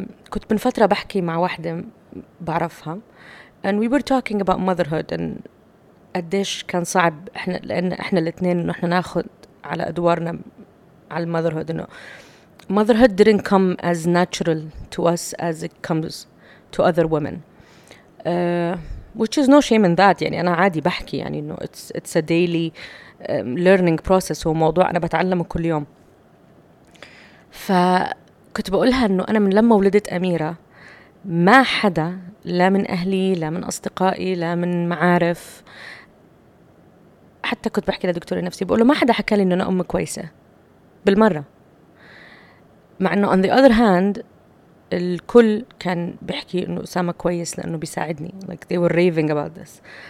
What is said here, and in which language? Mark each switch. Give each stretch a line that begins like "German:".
Arabic: كنت من فترة بحكي مع واحدة بعرفها
English: and we were talking about motherhood
Arabic: and قديش كان صعب احنا لان احنا الاثنين انه احنا ناخد على أدوارنا على motherhood. إنه
English: motherhood didn't come as natural to us as it comes to other women, which is no shame in that.
Arabic: يعني أنا عادي بحكي يعني إنه
English: it's a daily learning process,
Arabic: هو موضوع أنا بتعلمه كل يوم. فكنت بقولها إنه أنا من لما ولدت أميرة ما حدا لا من أهلي لا من أصدقائي لا من معارف, حتى كنت بحكي لدكتور النفسي بقوله ما حدا حكى لي إنه أنا أم كويسة بالمرة, مع إنه
English: on the other hand
Arabic: الكل كان بحكي إنه أسامة كويس لأنه بيساعدني
English: like they were raving about this.